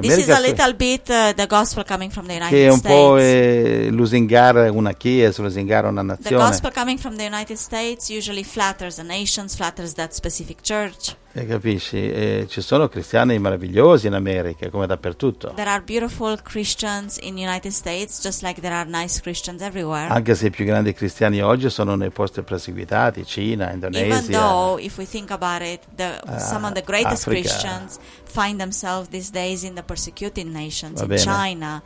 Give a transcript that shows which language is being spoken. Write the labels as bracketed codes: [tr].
[en] this is a little bit the gospel coming from the United States. [it] Che è un po' [en] States. [it] Lusingare una chiesa, lusingare una nazione. [en] The gospel coming from the United States usually flatters the nations, flatters that specific church. [it] E capisci? E ci sono cristiani meravigliosi in America, come dappertutto. [en] There are beautiful Christians in the United States, just like there are nice Christians everywhere. [it] Anche se i più grandi cristiani oggi sono nei posti perseguitati, Cina, Indonesia. [en] Even though, if we think about it, some of the greatest Africa. Christians find themselves these days in the persecuted nations, in China,